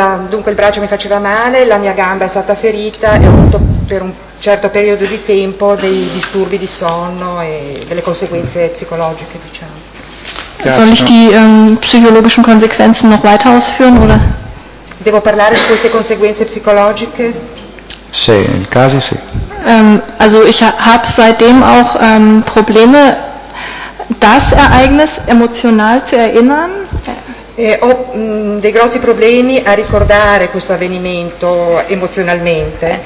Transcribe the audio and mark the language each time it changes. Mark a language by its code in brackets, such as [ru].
[it] Dunque il braccio mi faceva male, la mia gamba è stata ferita e ho avuto per un certo periodo di tempo dei disturbi di sonno e delle conseguenze psicologiche, diciamo. [de] Soll ich die psychologischen Konsequenzen noch weiter ausführen oder? [it] Devo parlare di queste conseguenze psicologiche? Sì, in caso sì. [de] Also ich habe seitdem auch Probleme, das Ereignis emotional zu erinnern. [it] Ho dei grossi problemi a ricordare questo avvenimento emozionalmente.